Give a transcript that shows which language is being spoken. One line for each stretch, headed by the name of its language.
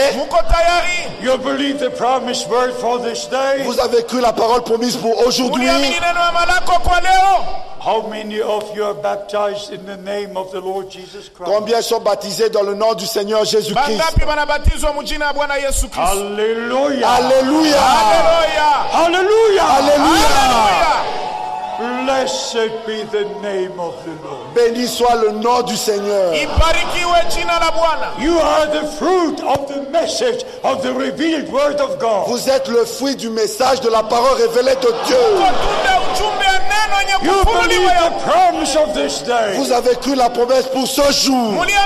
English: You believe the promised word for this day?
French: Vous avez cru la parole promise pour aujourd'hui?
English: How many of you are baptized in the name of the Lord Jesus Christ?
French: Combien sont baptisés dans le nom du Seigneur Jésus Christ?
English: Hallelujah! Hallelujah! Hallelujah! Hallelujah! Hallelujah! Blessed be the name of the Lord.
French: Béni soit le nom du Seigneur.
Swahili: Ibarikiwe jina la Bwana.
English: You are the fruit of the message of the revealed word of God.
French: Vous êtes le fruit du message de la parole révélée de Dieu.
English: You believe the promise of this day.
French: Vous avez cru la promesse pour ce jour.